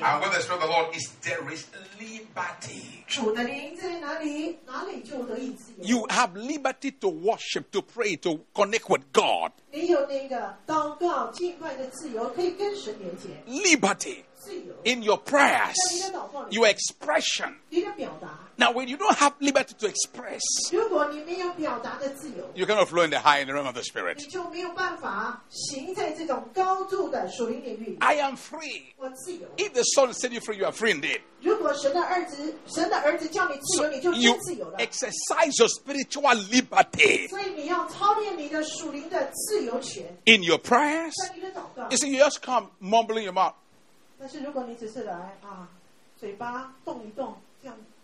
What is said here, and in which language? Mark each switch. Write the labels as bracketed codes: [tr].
[en] And with the Spirit of the Lord is there is liberty. [zh] 主的灵在哪里，哪里就得以自由。 [en] You have liberty to worship, to pray, to connect with God. [zh] 你有那个祷告敬拜的自由，可以跟神连接。 [en] Liberty. [zh] 自由。 [en] In your prayers. [zh] 在你的祷告里。 [en] Your expression. [zh] 你的表达。 [en] Now, when you don't have liberty to express, [zh] 如果你没有表达的自由, [en] you cannot flow in the high in the realm of the spirit. [zh] 你就没有办法行在这种高度的属灵领域。 [en] I am free. [zh] 我自由。 [en] If the Son set you free, you are free indeed. [zh] 如果神的儿子叫你自由, 你就自由了。 [en] You exercise your spiritual liberty. [zh] 所以你要操练你的属灵的自由权。 [en] In your prayers, [zh] 在你的祷告, [en] you see, you just come mumbling your mouth. [zh] 但是如果你只是来啊，嘴巴动一动，这样。